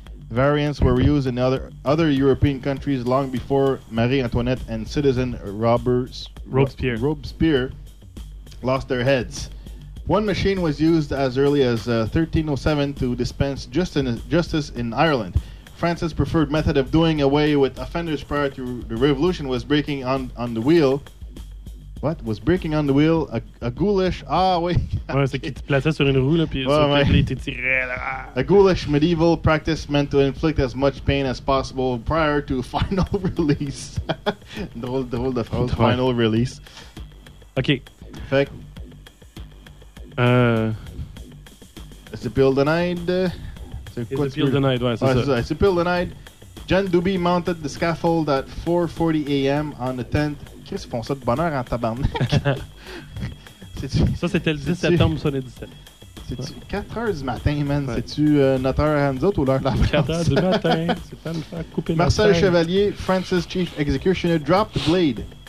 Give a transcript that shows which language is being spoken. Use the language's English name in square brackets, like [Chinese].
[English] Variants were used in other European countries long before Marie Antoinette and citizen Robespierre lost their heads. One machine was used as early as 1307 to dispense justice in Ireland. France's preferred method of doing away with offenders prior to the revolution was breaking on the wheel. What? Was breaking on the wheel a ghoulish... Ah, wait. [French] Ouais, c'est qui te plaçait sur une roue, là, puis ouais, ouais. Il était tiré, là. [English] A ghoulish medieval practice meant to inflict as much pain as possible prior to final release. [French] drôle de phrase. [English] Final release. OK. [French] Fait que... [English] It's a pill denied. It's a pill denied. Jean Duby mounted the scaffold at 4:40 a.m. on the 10th. [French] Qu'est-ce qu'ils font ça de bonne heure en tabarnak? Ça, c'était le 10 septembre, ça, le 17. C'est-tu 4 heures du matin, man? Ouais. C'est-tu notre heure à nous autres ou l'heure de la France? 4 heures du matin, c'est temps de faire couper [English] Marcel le Chevalier, France's chief executioner, dropped the blade.